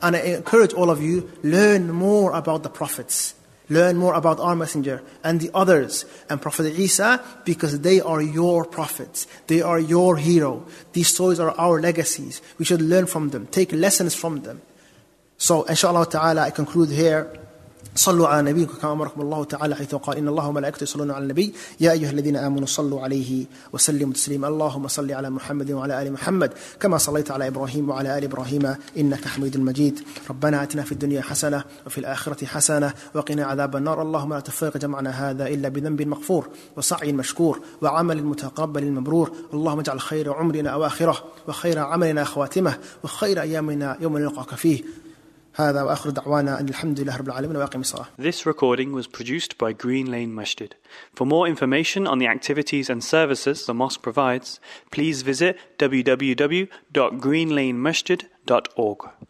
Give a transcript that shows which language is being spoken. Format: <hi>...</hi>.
<en>And I encourage all of you, learn more about the prophets. Learn more about our messenger and the others and Prophet Isa, because they are your prophets. They are your hero. These stories are our legacies. We should learn from them, take lessons from them. So, inshallah ta'ala, I conclude here.</en> <ar>صلوا على نبيك كما أمركم الله تعالى حيث قال إن الله وملائكته يصلون على النبي يا أيها الذين آمنوا صلوا عليه وسلموا تسليما اللهم صل على محمد وعلى آل محمد كما صليت على إبراهيم وعلى آل إبراهيم إنك حميد مجيد ربنا آتنا في الدنيا حسنة وفي الآخرة حسنة وقنا عذاب النار اللهم لا تفرق جمعنا هذا إلا بذنب مغفور وسعي مشكور وعمل متقبل مبرور اللهم اجعل خير عمرنا أواخره وخير عملنا خواتمه وخير أيامنا يوم نلقاك فيه هذا وآخر دعوانا أن الحمد لله رب العالمين وأقم الصلاة.</ar> <en>This recording was produced by Green Lane Masjid. For more information on the activities and services the mosque provides, please visit www.greenlanemasjid.org.</en>